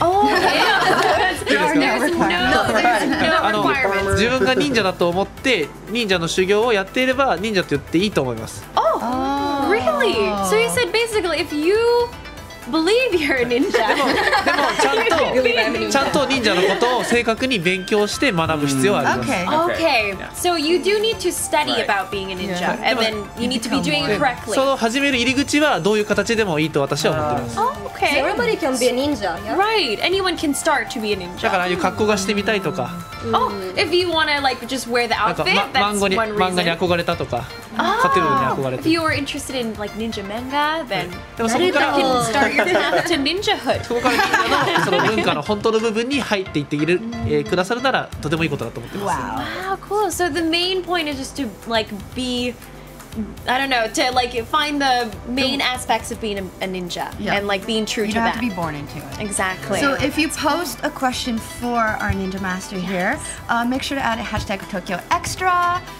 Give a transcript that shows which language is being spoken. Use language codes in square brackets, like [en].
[ja] 自分が忍者だと思って忍者の修行をやっていれば忍者と言っていいと思います。 [en] Oh, really? So you said basically if you believe you're a ninja. [ja] でもちゃんと忍者のことを正確に勉強して学ぶ必要はあります。 [en] Okay. So you do need to study about being a ninja, and then you need to be doing it correctly. [ja] その始める入り口はどういう形でもいいと私は思っています。 [en] Okay. Everybody can be a ninja. Right. Anyone can start to be a ninja. [ja] だからああいう格好がしてみたいとか。 [en] Oh, if you want to like just wear the outfit, that's one reason. [ja] 漫画に憧れたとか。カテゴリーに憧れて。 [en] If you are interested in like ninja manga, then that can start your path to ninjahood. [ja] そこから忍者のその文化の本当の部分に入っていっている、くださるならとてもいいことだと思ってます。 [en] Wow, cool. So the main point is just to like be, I don't know, to like find the main aspects of being a ninja and like being true to that. You have to be born into it. Exactly. So if you post a question for our ninja master here, make sure to add a hashtag Tokyo Extra.